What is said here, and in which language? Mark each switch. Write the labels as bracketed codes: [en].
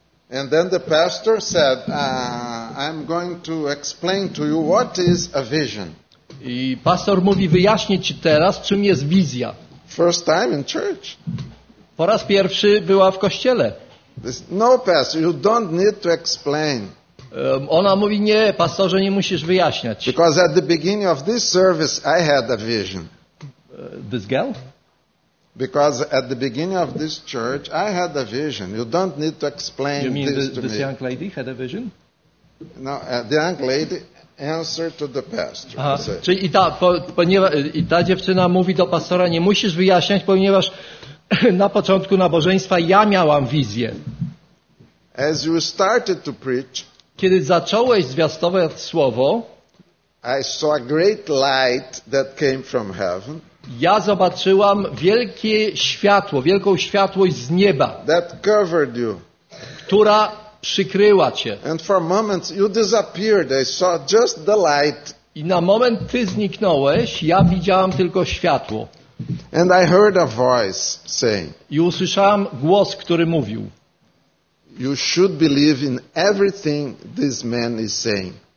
[en] And then the pastor said, I'm going to explain to you what is a vision. [pl] I pastor mówi, wyjaśnię ci teraz, czym jest wizja. [en] First time in church. [pl] Po raz pierwszy była w kościele. [en] No, pastor, you don't need to explain. [pl] Ona mówi, nie, pastorze, nie musisz wyjaśniać. [en] Because at the beginning of this service I had a vision. This girl? Because at the beginning of this church I had a vision. You don't need to explain this to me. You mean this young lady had a vision? No, the young lady answered to the pastor. [pl] Aha, czyli ta dziewczyna mówi do pastora, nie musisz wyjaśniać, ponieważ na początku nabożeństwa ja miałam wizję. [en] As you started to preach, [pl] kiedy zacząłeś zwiastować słowo, [en] I saw a great light that came from heaven. [pl] Ja zobaczyłam wielkie światło, wielką światłość z nieba, [en] that covered you. [pl] Która przykryła cię. [en] And for moments you disappeared. I saw just the light. [pl] I na moment ty zniknąłeś, ja widziałam tylko światło. [en] And I heard a voice saying, [pl] i usłyszałam głos, który mówił, [en] you should believe in everything this man is saying.